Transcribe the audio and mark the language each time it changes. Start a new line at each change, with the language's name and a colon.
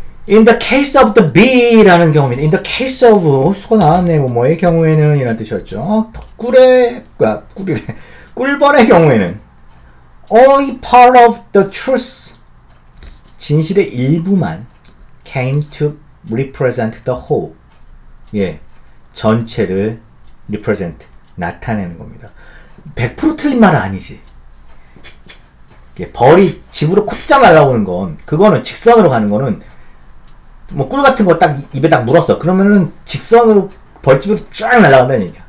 English: In the case of the bee
Korean: 라는 경우입니다.
English: In the case of,
Korean: 수고 나왔네, 뭐의 경우에는, 이란 뜻이었죠. 꿀벌의 경우에는,
English: only part of the truth.
Korean: 진실의 일부만
English: came to represent the whole.
Korean: 예, 전체를 represent, 나타내는 겁니다. 100% 틀린 말은 아니지. 벌이 집으로 곧장 날아오는 건, 그거는 직선으로 가는 거는, 뭐, 꿀 같은 거 딱 입에 딱 물었어. 그러면은 직선으로 벌집으로 쫙 날아간다는 얘기야.